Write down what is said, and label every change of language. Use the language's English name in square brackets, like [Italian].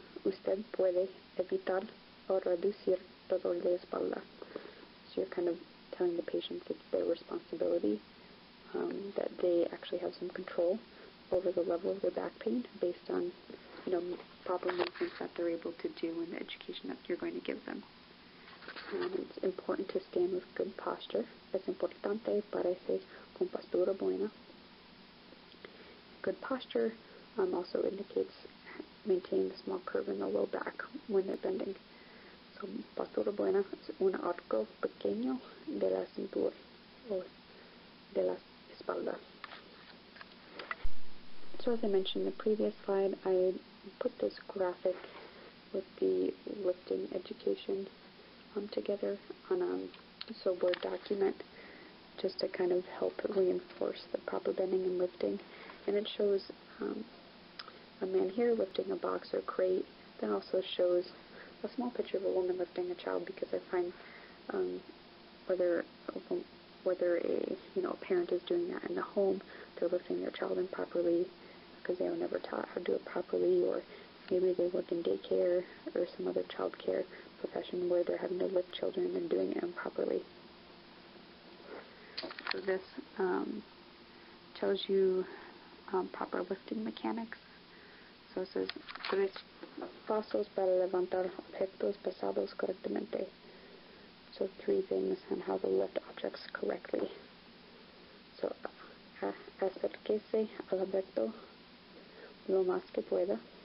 [Spanish] Usted puede evitar o reducir dolor de espalda. [English] So you're kind of telling the patients it's their responsibility, that they actually have some control over the level of their back pain based on, you know, proper movements that they're able to do and the education that you're going to give them. It's important to stand with good posture. [Spanish] Es importante pararse con postura buena. [English] Good posture also indicates maintaining a small curve in the low back when they're bending. [Spanish] So postura buena es un arco pequeño de la cintura o de la espalda. [English] So as I mentioned in the previous slide, I put this graphic with the lifting education together on a SoBoard document just to kind of help reinforce the proper bending and lifting. And it shows a man here lifting a box or crate, then also shows a small picture of a woman lifting a child, because I find whether a parent is doing that in the home, they're lifting their child improperly because they were never taught how to do it properly, or maybe they work in daycare or some other child care profession where they're having to lift children and doing it improperly. So this tells you proper lifting mechanics. So it says, [Spanish] tres pasos para levantar objetos pesados correctamente. [English] So three things on how to lift objects correctly. [Spanish] So acérquese al objeto lo más que pueda.